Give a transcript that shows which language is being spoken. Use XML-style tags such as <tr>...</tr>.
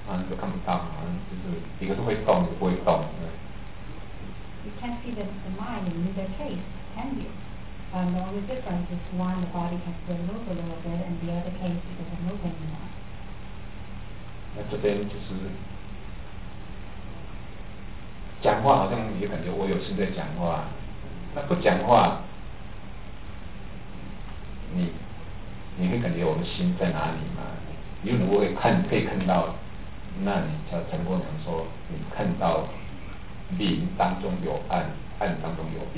<zh>就看不到，就是一个是会动，一个不会动。</zh> <en>You can't see the mind in either case, can you? The only difference is one, the body can still move a little bit, and the other case, it doesn't move anymore.</en> <zh>那这边就是讲话，好像也感觉我有心在讲话。那不讲话，你会感觉我的心在哪里吗？你如果可以看到，那你叫陈国强说，你看到明当中有暗，暗当中有明。</zh>